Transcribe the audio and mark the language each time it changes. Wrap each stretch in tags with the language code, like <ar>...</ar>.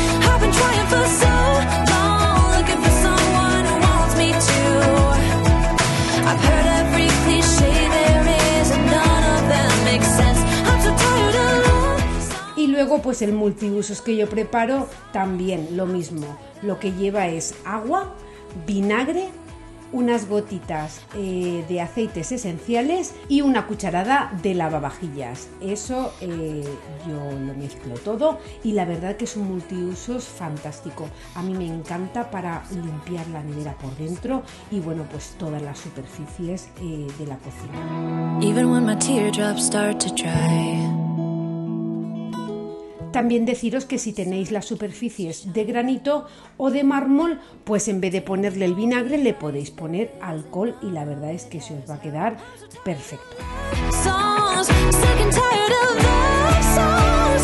<en>I've been trying for so long, looking for someone who wants me to. I've heard every cliche there is and none of them makes sense. I'm so tired of songs.</en> <es>Y luego pues el multiusos que yo preparo también lo mismo, lo que lleva es agua, vinagre, unas gotitas de aceites esenciales y una cucharada de lavavajillas. Eso yo lo mezclo todo y la verdad que es un multiusos fantástico. A mí me encanta para limpiar la nevera por dentro y bueno, pues todas las superficies de la cocina.</es> <en>Even when my teardrops start to dry.</en> <es>También deciros que si tenéis las superficies de granito o de mármol, pues en vez de ponerle el vinagre, le podéis poner alcohol y la verdad es que se os va a quedar perfecto.</es> <en>I'm sick and tired of love songs.</en>